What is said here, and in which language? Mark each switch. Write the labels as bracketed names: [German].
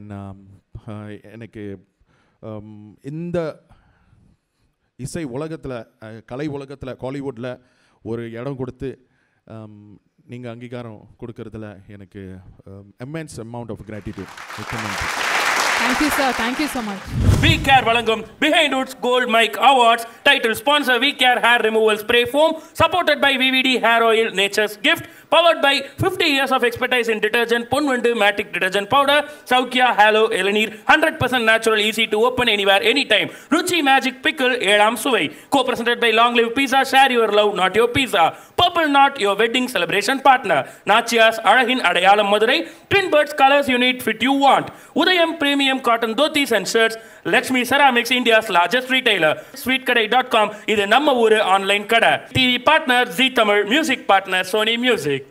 [Tamil] And எனக்கு இந்த இசை உலகத்தில், கலை உலகத்தில், காலிவுட்டில் ஒரு இடம் கொடுத்து நீங்கள் அங்கீகாரம் கொடுக்கறதுல எனக்கு [English] Immense amount of gratitude. Thank you, sir. Thank you so much. We Care Valangum, Behindwoods Gold Mic Awards. Title sponsor, We Care Hair Removal Spray Foam. Supported by VVD Hair Oil, Nature's Gift. Powered by 50 years of expertise in detergent, Ponvandu Matic Detergent Powder, Saukya Halo Elanir, 100% natural, easy to open anywhere, anytime. Ruchi Magic Pickle, Elam Suvai. Co-presented by Long Live Pizza, Share Your Love, Not Your Pizza. Purple Knot, Your Wedding Celebration Partner. Nachiyas, Alahin, Adayalam Madurai. Twin Birds, Colors You Need, Fit You Want. Udayam Premium Cotton Dhotis and Shirts. [Tamil] Lakshmi ceramics, [English] India's largest retailer. [Tamil] Sweet கடை dot com, இது நம்ம ஊரு online கடை. [English] TV partner Zee Tamil, music partner Sony music.